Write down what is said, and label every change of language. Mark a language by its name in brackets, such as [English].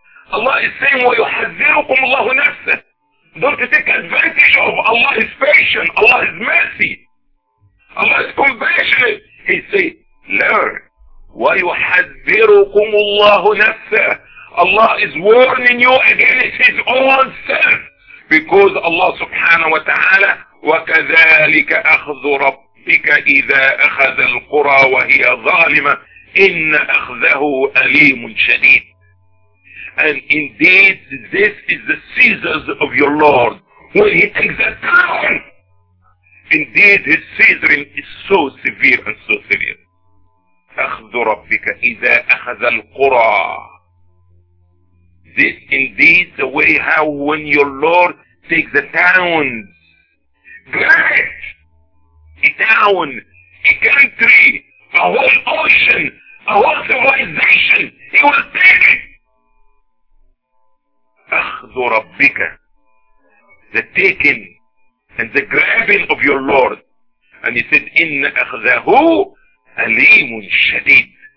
[English] Allah is saying, [Arabic] وَيُحَذِّرُكُمُ اللَّهُ نَفْسَهُ. [English] Don't take advantage of Allah's patience, Allah's mercy, Allah's compassionate. He said, learn. [Arabic] وَيُحَذِّرُكُمُ اللَّهُ نَفْسَهُ. [English] Allah is warning you against his own self. Because Allah subhanahu wa ta'ala, [Arabic] وَكَذَلِكَ أَخْذُ رَبِّكَ إِذَا أَخَذَ الْقُرَى وَهِيَ ظَالِمَةً إن أخذه أليم شديد. [English] And indeed this is the seizures of your Lord when he takes that town. Indeed his seizuring is so severe and so severe. [Arabic] أخذ ربك إذا أخذ القرى. [English] This indeed the way how when your Lord takes the towns. Great! A town, a country, a whole ocean. A whole civilization, he will take it. [Arabic] أخذ ربك. [English] The taking and the grabbing of your Lord. And he said, [Arabic] إن أخذه أليم شديد.